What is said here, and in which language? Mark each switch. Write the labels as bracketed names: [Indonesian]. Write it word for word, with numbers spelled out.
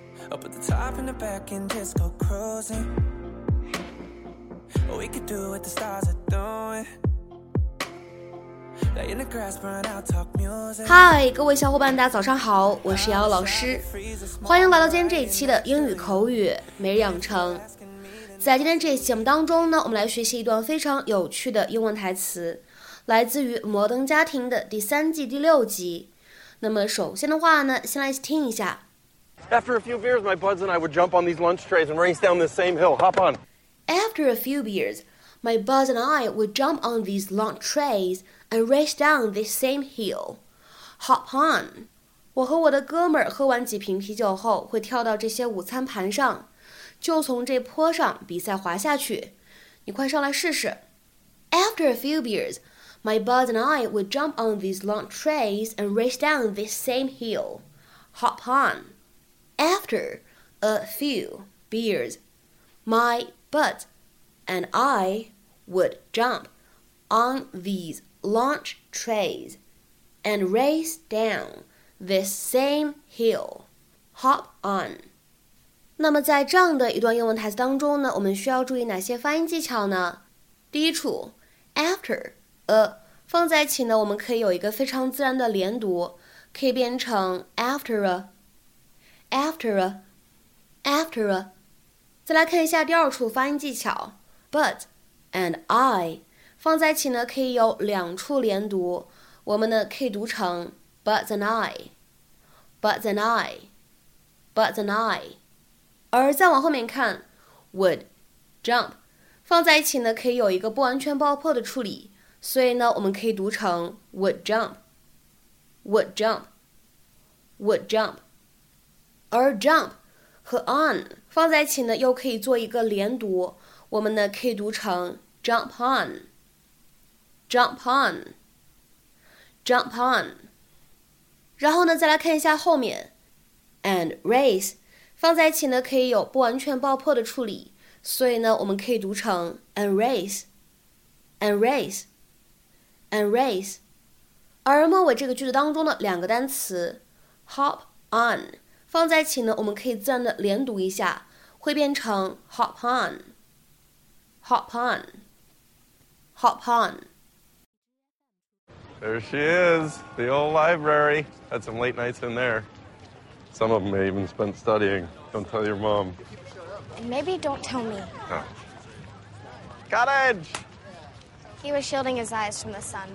[English] Up at the top and the back and just go cruising. We could do what the stars are doing. Lay in the grass, burn out, talk music. [Chinese] 嗨，各位小伙伴，大家早上好，我是姚老师，欢迎来到今天这一期的英语口语每日养成。在今天这一期节目当中呢，我们来学习一段非常有趣的英文台词，来自于《摩登家庭》的第三季第六集。那么首先的话呢，先来听一下。 [English] After a few beers, my buds and I would jump on these lunch trays and race down this same hill. Hop on. After a few beers, my buds and I would jump on these lunch trays and race down this same hill. Hop on. [Chinese] 我和我的哥们儿喝完几瓶啤酒后，会跳到这些午餐盘上，就从这坡上比赛滑下去。你快上来试试。 [English] After a few beers. My buds and I would jump on these lunch trays and race down this same hill. Hop on. After a few beers, my buds and I would jump on these lunch trays and race down this same hill. Hop on. [Chinese] 那么在这样的一段英文台词当中呢，我们需要注意哪些发音技巧呢？第一处 after. 呃，放在一起呢，我们可以有一个非常自然的连读，可以变成 [English] after a, after a, after a。 [Chinese] 再来看一下第二处发音技巧 ，but and I 放在一起呢，可以有两处连读，我们呢可以读成 [English] but and I, but and I, but and I。 [Chinese] 而再往后面看 ， [English] would jump [Chinese] 放在一起呢，可以有一个不完全爆破的处理。所以呢，我们可以读成 [English] would jump, would jump, would jump。 [Chinese] 而 jump 和 on 放在一起呢，又可以做一个连读，我们呢可以读成 [English] jump on, jump on, jump on。 [Chinese] 然后呢，再来看一下后面 and race 放在一起呢，可以有不完全爆破的处理，所以呢，我们可以读成 [English] and race, and race。 and race [Chinese] 而末尾这个句子当中的两个单词 hop on 放在一起呢，我们可以自然的连读一下，会变成 [English] hop on hop on hop on。 There she is, the old library. Had some late nights in there. Some of them may even spent studying. Don't tell your mom. Maybe don't tell me. Oh. Cottage! He was shielding his eyes from the sun.